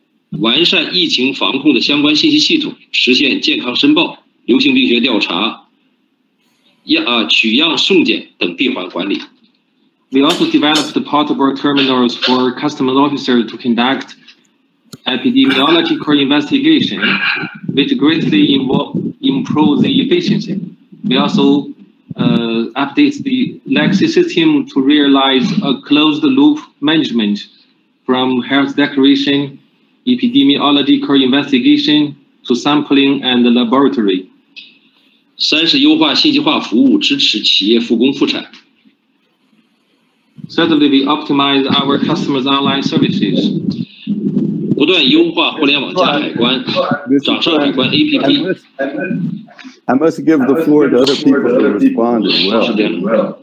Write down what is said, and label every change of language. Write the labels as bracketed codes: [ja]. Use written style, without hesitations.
[zh] 完善疫情防控的相关信息系统，实现健康申报、流行病学调查、取样送检等闭环管理。 [en] We also developed portable terminals for customs officers to conduct epidemiological investigation, which greatly improves the efficiency. We also updated the legacy system to realize a closed loop management from health declaration, epidemiological investigation to sampling and the laboratory. [zh] 三是优化信息化服务，支持企业复工复产。 [en] Thirdly, we optimize our customers' online services. [zh] 不断优化互联网加海关、掌上海关 APP. [en] I must give the floor to other people to respond as well.